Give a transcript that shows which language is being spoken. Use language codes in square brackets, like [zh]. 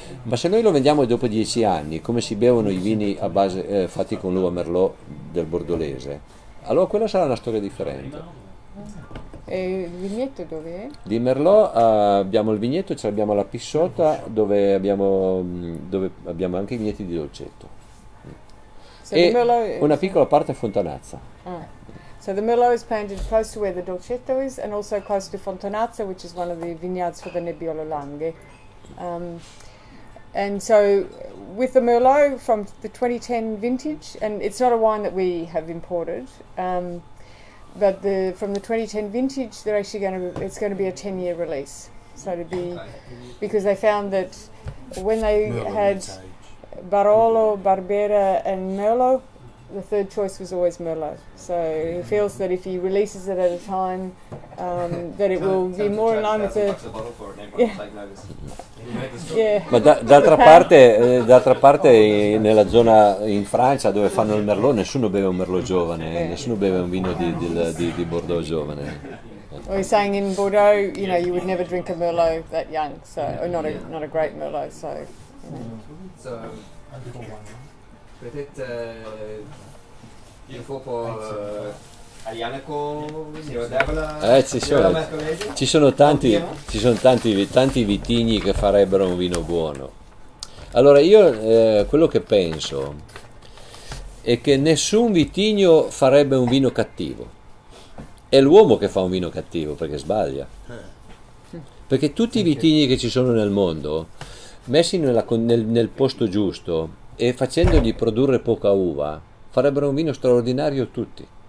[it] Ma se noi lo vendiamo dopo 10 anni, come si bevono i vini a base fatti con l'uva Merlot del Bordolese, allora quella sarà una storia differente. E il vigneto dove è? Di Merlot abbiamo il vigneto, ce l'abbiamo alla Pissota, dove abbiamo anche i vigneti di Dolcetto. [en] So the Merlot is [it] una piccola parte Fontanazza. [en] So the Merlot is planted close to where the Dolcetto is and also close to Fontanazza, which is one of the vineyards for the Nebbiolo Langhe. And so with the Merlot from the 2010 vintage, and it's not a wine that we have imported, but the from the 2010 vintage, they're actually going to, it's going to be a 10-year release. So it'd be, because they found that when they had Barolo, Barbera and Merlot, the third choice was always Merlot. So he feels that if he releases it at a time, that it will be more in line with the... [it] Ma d'altra parte nella zona in Francia dove fanno il Merlot, nessuno beve un Merlot giovane, nessuno beve un vino di Bordeaux giovane. [en] Well, he's saying in Bordeaux, you know, you would never drink a Merlot that young, so or not a not a great Merlot. So, you know. [fr] So peut-être il faut pour Arianeco, Nero d'Avola. [it] Ci sono tanti vitigni che farebbero un vino buono. Allora io quello che penso è che nessun vitigno farebbe un vino cattivo. È l'uomo che fa un vino cattivo perché sbaglia. Perché tutti i vitigni che ci sono nel mondo, messi nel posto giusto e facendogli produrre poca uva, farebbero un vino straordinario tutti.